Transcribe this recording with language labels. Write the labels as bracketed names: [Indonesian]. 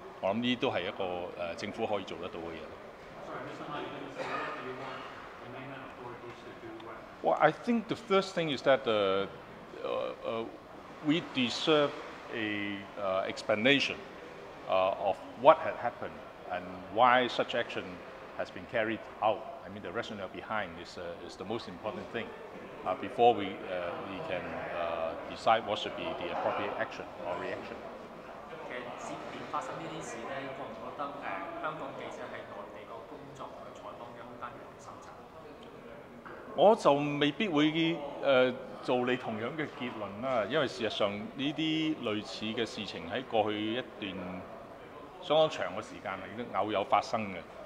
[Cantonese] 我諗呢都係一個政府可以做得到嘅嘢。 [English] Well, I think the first thing is that we deserve an explanation of what had happened and why such action has been carried out. I mean, the rationale behind is the most important thing before we can decide what should be the appropriate action or reaction. [Cantonese] 其實接連發生呢啲事咧，覺唔覺得香港記者係內地個工作嘅採訪嘅空間越嚟越收窄？我就未必會做你同樣嘅結論啦，因為事實上呢啲類似嘅事情喺過去一段相當長嘅時間已經偶有發生嘅。